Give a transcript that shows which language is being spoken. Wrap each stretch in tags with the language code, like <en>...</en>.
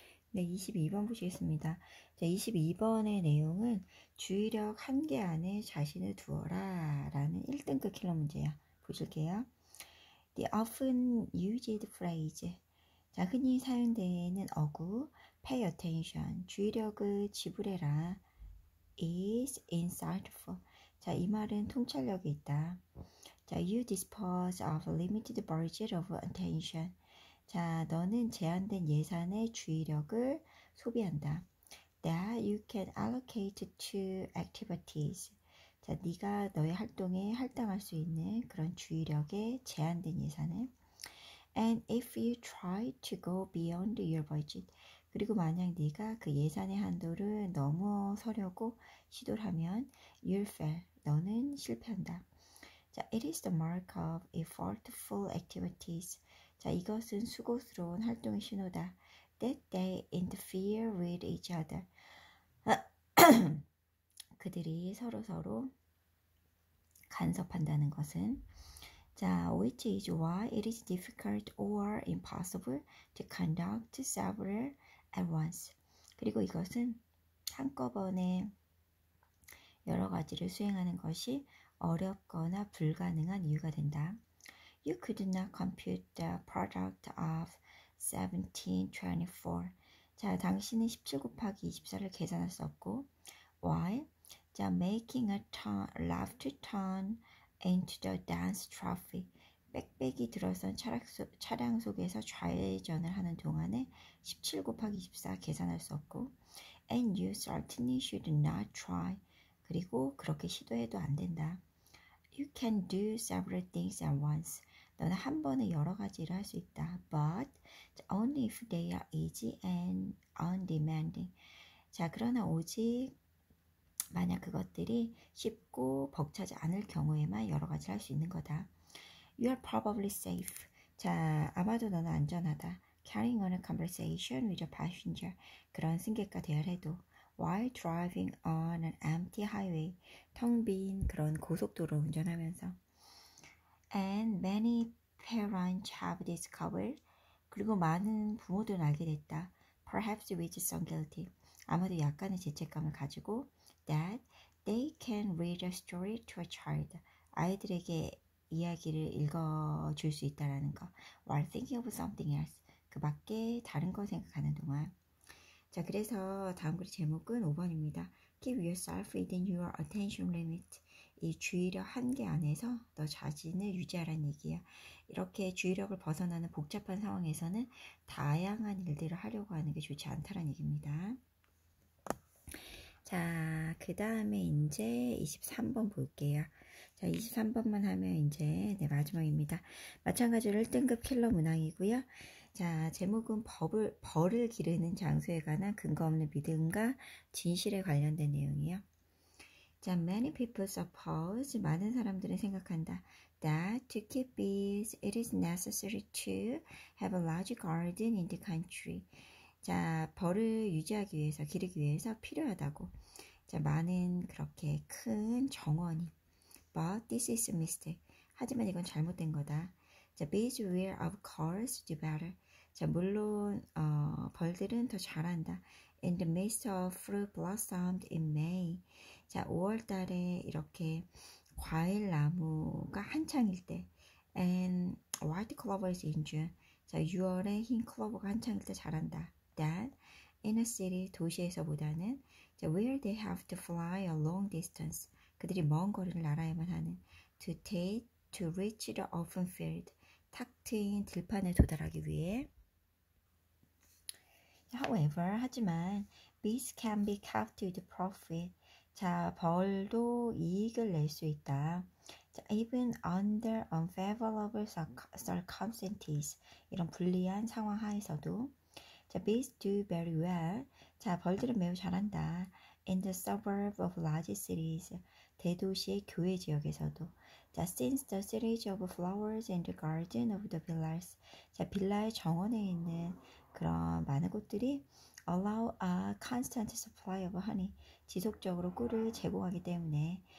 <ko>네, 22번 보시겠습니다. 자, 22번의 내용은 주의력 한계 안에 자신을 두어라라는 1등급 킬러 문제야. 보실게요.</ko> <en>The often used phrase.</en> <ko>자, 흔히 사용되는 어구,</ko> <en>pay attention,</en> <ko>주의력을 지불해라,</ko> <en>is insightful.</en> <ko>자, 이 말은 통찰력이 있다.</ko> <en>자, you dispose of a limited budget of attention.</en> <ko>자, 너는 제한된 예산의 주의력을 소비한다.</ko> <en>That you can allocate to activities.</en> <ko>자, 네가 너의 활동에 할당할 수 있는 그런 주의력의 제한된 예산을.</ko> <en>And if you try to go beyond your budget.</en> <ko>그리고 만약 네가 그 예산의 한도를 넘어서려고 시도하면</ko> <en>you'll fail.</en> <ko>너는 실패한다.</ko> <en>자, it is the mark of effortful activities.</en> <ko>자, 이것은 수고스러운 활동의 신호다.</ko> <en>That they interfere with each other.</en> <ko>그들이 서로서로 간섭한다는 것은.</ko> <en>자, which is why it is difficult or impossible to conduct several at once.</en> <ko>그리고 이것은 한꺼번에 여러 가지를 수행하는 것이 어렵거나 불가능한 이유가 된다.</ko> <en>You could not compute the product of 1724.</en> <ko>자, 당신은 17 곱하기 24를 계산할 수 없고.</ko> <en>While, 자, making a left turn into the dense traffic.</en> <ko>빽빽이 들어선 차량 속에서 좌회전을 하는 동안에 17 곱하기 24 계산할 수 없고.</ko> <en>And you certainly should not try.</en> <ko>그리고 그렇게 시도해도 안 된다.</ko> <en>You can do several things at once.</en> <ko>너는 한 번에 여러 가지를 할 수 있다.</ko> <en>But only if they are easy and undemanding.</en> <ko>자, 그러나 오직 만약 그것들이 쉽고 벅차지 않을 경우에만 여러 가지를 할 수 있는 거다.</ko> <en>You are probably safe.</en> <ko>자, 아마도 너는 안전하다.</ko> <en>Carrying on a conversation with a passenger.</en> <ko>그런 승객과 대화를 해도.</ko> <en>While driving on an empty highway.</en> <ko>텅 빈 그런 고속도로 운전하면서.</ko> <en>And many parents have discovered.</en> <ko>그리고 많은 부모들은 알게 됐다.</ko> <en>Perhaps with some guilt.</en> <ko>아마도 약간의 죄책감을 가지고.</ko> <en>That they can read a story to a child.</en> <ko>아이들에게 이야기를 읽어줄 수 있다라는 거.</ko> <en>While thinking of something else.</en> <ko>그 밖에 다른 거 생각하는 동안. 자, 그래서 다음 글의 제목은 5번입니다.</ko> <en>Keep yourself within your attention limit.</en> <ko>이 주의력 한계 안에서 너 자신을 유지하라는 얘기야. 이렇게 주의력을 벗어나는 복잡한 상황에서는 다양한 일들을 하려고 하는 게 좋지 않다라는 얘기입니다. 자, 그 다음에 이제 23번 볼게요. 자, 23번만 하면 이제 네, 마지막입니다. 마찬가지로 1등급 킬러 문항이고요. 자, 제목은 벌을 기르는 장소에 관한 근거 없는 믿음과 진실에 관련된 내용이요. 자,</ko> <en>many people suppose,</en> <ko>많은 사람들은 생각한다.</ko> <en>That to keep bees, it is necessary to have a large garden in the country.</en> <ko>자, 벌을 유지하기 위해서, 기르기 위해서 필요하다고. 자, 많은 그렇게 큰 정원이.</ko> <en>But this is a mistake.</en> <ko>하지만 이건 잘못된 거다.</ko> <en>자, bees will of course do better.</en> <ko>자, 물론 벌들은 더 잘한다.</ko> <en>In the midst of fruit blossomed in May.</en> <ko>자, 5월 달에 이렇게 과일 나무가 한창일 때.</ko> <en>And white clover is in June.</en> <ko>자, 6월에 흰 클로버가 한창일 때 자란다.</ko> <en>That in a city,</en> <ko>도시에서보다는 자,</ko> <en>where they have to fly a long distance,</en> <ko>그들이 먼 거리를 날아야만 하는</ko> <en>to take to reach the open field,</en> <ko>탁 트인 들판에 도달하기 위해.</ko> <en>However,</en> <ko>하지만</ko> <en>bees can be kept with profit.</en> <ko>자, 벌도 이익을 낼 수 있다.</ko> <en>Even under unfavorable circumstances,</en> <ko>이런 불리한 상황 하에서도,</ko> <en>자, bees do very well.</en> <ko>자, 벌들은 매우 잘한다.</ko> <en>In the suburbs of large cities,</en> <ko>대도시의 교외 지역에서도,</ko> <en>자, since the series of flowers and the garden of the villas,</en> <ko>자, 빌라의 정원에 있는 그런 많은 꽃들이</ko> <en>allow a constant supply of honey,</en> <ko>지속적으로 꿀을 제공하기 때문에.</ko>